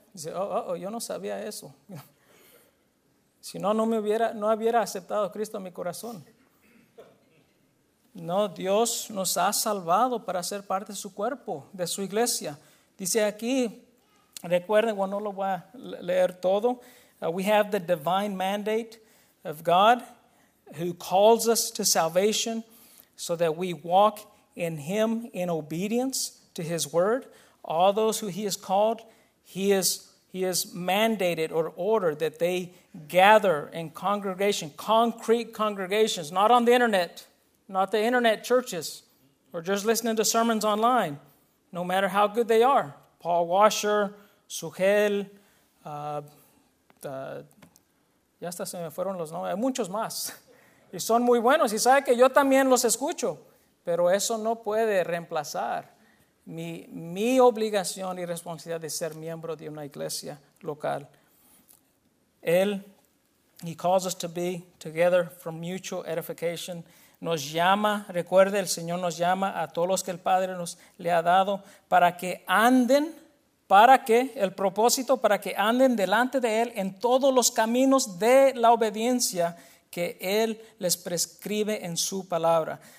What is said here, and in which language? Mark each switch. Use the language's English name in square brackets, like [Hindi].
[Spanish] Dice, yo no sabía eso. Si no, no hubiera aceptado a Cristo en mi corazón. No, Dios nos ha salvado para ser parte de su cuerpo, de su iglesia. Dice aquí, recuerden, bueno, no lo voy a leer todo. [English] We have the divine mandate of God who calls us to salvation so that we walk in him in obedience to his word. All those who he has called, he has mandated or ordered that they gather in congregation, concrete congregations, not on the internet. Not the internet churches, or just listening to sermons online, no matter how good they are. [Spanish] Paul Washer, Sujel, ya hasta se me fueron los nombres, hay muchos más. Y son muy buenos, y sabe que yo también los escucho, pero eso no puede reemplazar mi obligación y responsabilidad de ser miembro de una iglesia local. [English] He calls us to be together for mutual edification. [Spanish] Nos llama, recuerde, el Señor nos llama a todos los que el Padre nos le ha dado para que anden, para que el propósito, para que anden delante de Él en todos los caminos de la obediencia que Él les prescribe en su palabra.